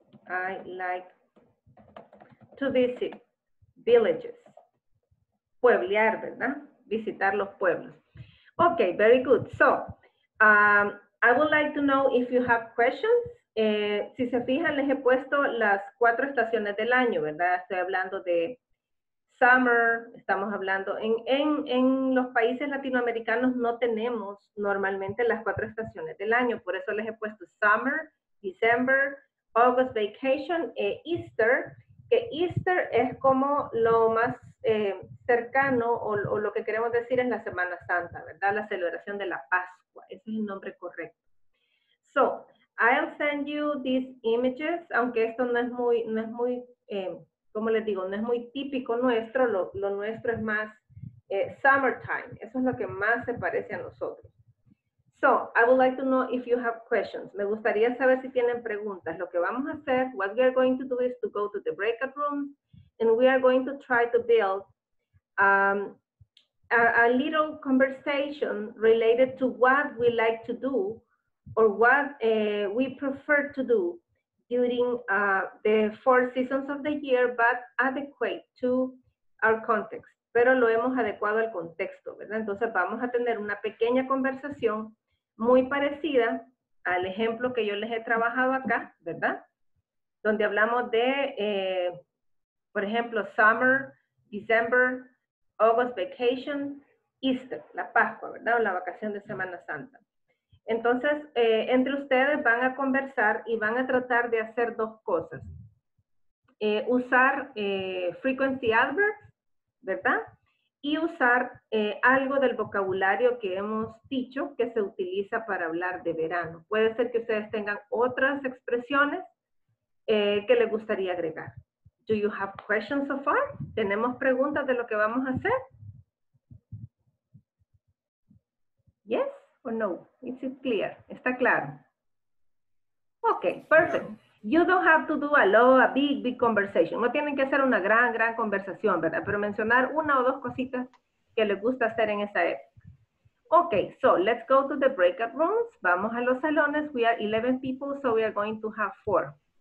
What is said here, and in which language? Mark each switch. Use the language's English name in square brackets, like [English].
[English] I like to visit villages. [Spanish] Pueblear, ¿verdad? Visitar los pueblos. [English] Okay, very good. So, I would like to know if you have questions. [Spanish] Si se fijan, les he puesto las cuatro estaciones del año, ¿verdad? Estoy hablando de summer, estamos hablando... En los países latinoamericanos no tenemos normalmente las cuatro estaciones del año, por eso les he puesto summer, December, August vacation, Easter, que Easter es como lo más cercano, o lo que queremos decir es la Semana Santa, ¿verdad? La celebración de la Pascua. Es el nombre correcto. [English] So, I'll send you these images, [Spanish] aunque esto no es muy, como les digo, no es muy típico nuestro, lo nuestro es más summertime. Eso es lo que más se parece a nosotros. [English] So, I would like to know if you have questions. [Spanish] Me gustaría saber si tienen preguntas. Lo que vamos a hacer, [English] what we are going to do is to go to the breakout room and we are going to try to build a little conversation related to what we like to do or what we prefer to do during the four seasons of the year, but adequate to our context. [Spanish] Pero lo hemos adecuado al contexto, ¿verdad? Entonces vamos a tener una pequeña conversación muy parecida al ejemplo que yo les he trabajado acá, ¿verdad? Donde hablamos de, por ejemplo, summer, December, August vacation, Easter, la Pascua, ¿verdad? O la vacación de Semana Santa. Entonces, entre ustedes van a conversar y van a tratar de hacer dos cosas. Usar frequency adverbs, ¿verdad? Y usar algo del vocabulario que hemos dicho que se utiliza para hablar de verano. Puede ser que ustedes tengan otras expresiones que les gustaría agregar. [English] Do you have questions so far? [Spanish] ¿Tenemos preguntas de lo que vamos a hacer? [English] Yes or no? Is it clear? [Spanish] ¿Está claro? [English] Okay, perfect. You don't have to do a big conversation. [Spanish] No tienen que hacer una gran conversación, ¿verdad? Pero mencionar una o dos cositas que les gusta hacer en esa época. [English] Okay, so let's go to the breakout rooms. [Spanish] Vamos a los salones. [English] We are 11 people, so we are going to have 4.